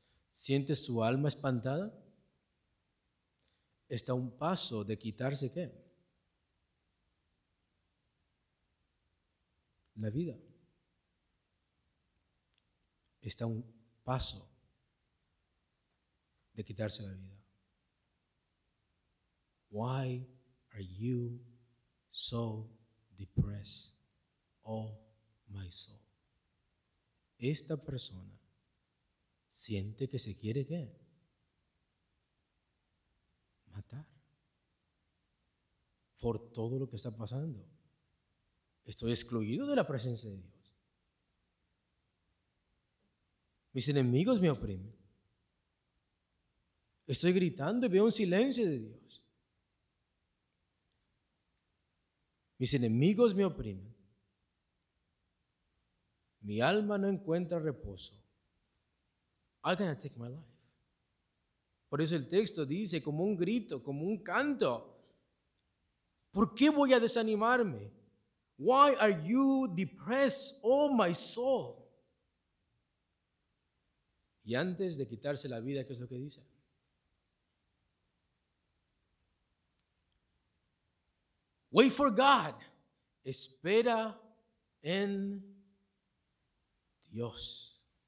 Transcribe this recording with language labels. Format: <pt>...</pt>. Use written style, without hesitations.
<es>¿Siente su alma espantada? ¿Está a un paso de quitarse qué? La vida. Está a un paso de quitarse la vida.</es> <en>Why are you so depressed, oh my soul?</en> <es>Esta persona siente que se quiere ¿qué? Matar. Por todo lo que está pasando. Estoy excluido de la presencia de Dios. Mis enemigos me oprimen. Estoy gritando y veo un silencio de Dios. Mis enemigos me oprimen. Mi alma no encuentra reposo.</es> <en>I'm gonna take my life.</en> <es>Por eso el texto dice como un grito, como un canto. ¿Por qué voy a desanimarme?</es> <en>Why are you depressed, oh my soul?</en> <es>Y antes de quitarse la vida, ¿qué es lo que dice?</es> <en>Wait for God.</en> <es>Espera en Dios.</es>